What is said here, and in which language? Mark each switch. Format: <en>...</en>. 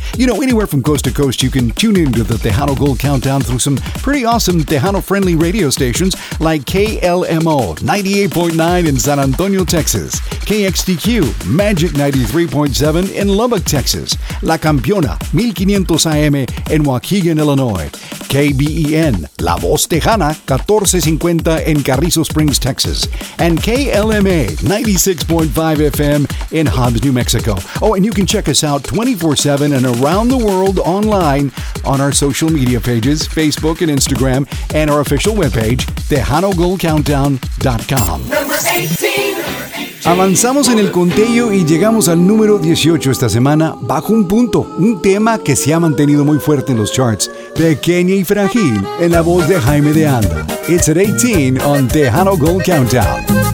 <en>You know, anywhere from coast to coast, you can tune in to the Tejano Gold Countdown through some pretty awesome Tejano-friendly radio stations like KLMO 98.9 in San Antonio, Texas, KXTQ Magic 93.7 in Lubbock, Texas, La Campeona 1500 AM in Waukegan, Illinois, KBEN La Voz Tejana 1450 in Carrizo Springs, Texas, and KLMA 96.5 FM in Hobbs, New Mexico. Oh, and you can check us out 24/7 and around the world online on our social media pages, Facebook and Instagram, and our official webpage, TejanoGoldCountdown.com.</en> <es>Avanzamos en el conteo y llegamos al número 18 esta semana, bajo un punto, un tema que se ha mantenido muy fuerte en los charts, Pequeña y Frágil, en la voz de Jaime de Anda.</es> <en>It's at 18 on Tejano Gold Countdown.</en>